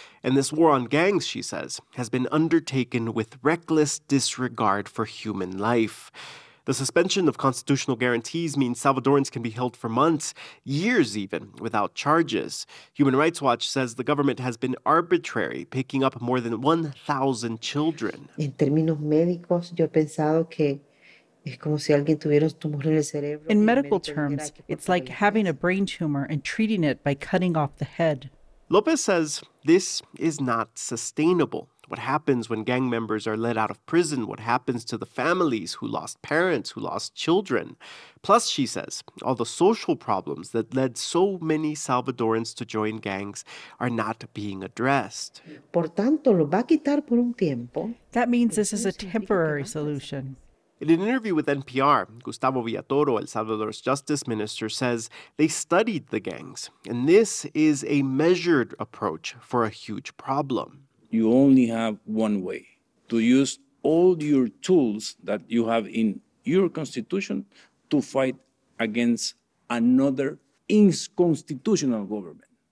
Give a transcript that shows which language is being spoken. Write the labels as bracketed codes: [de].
[en] And this war on gangs, she says, has been undertaken with reckless disregard for human life. The suspension of constitutional guarantees means Salvadorans can be held for months, years even, without charges. Human Rights Watch says the government has been arbitrary, picking up more than 1,000 children. [es] En términos médicos, yo he pensado que es como si alguien tuviera un tumor en el cerebro. [en] In medical terms, it's like having a brain tumor and treating it by cutting off the head. Lopez says this is not sustainable. What happens when gang members are let out of prison? What happens to the families who lost parents, who lost children? Plus, she says, all the social problems that led so many Salvadorans to join gangs are not being addressed. [es] Por tanto, lo va a quitar por un tiempo. [en] That means this is a temporary solution. In an interview with NPR, Gustavo Villatoro, El Salvador's justice minister, says they studied the gangs, and this is a measured approach for a huge problem. You only have one way, to use all your tools that you have in your constitution to fight against another inconstitutional government.